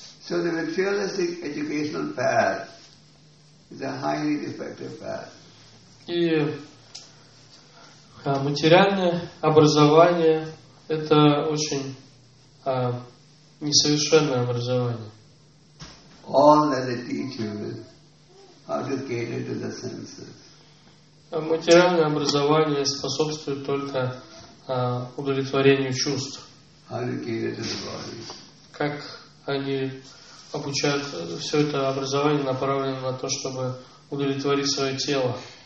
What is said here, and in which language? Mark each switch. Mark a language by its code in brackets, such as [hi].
[en] So the materialistic educational path is a highly defective path. [ru] И материальное образование это очень несовершенное образование. [en] All that they teach you is how to cater to the senses. [ru] Материальное образование способствует только удовлетворению чувств. [en] How to cater to the body. [ru] Как они обучают все это образование направлено на то, чтобы удовлетворить свое тело.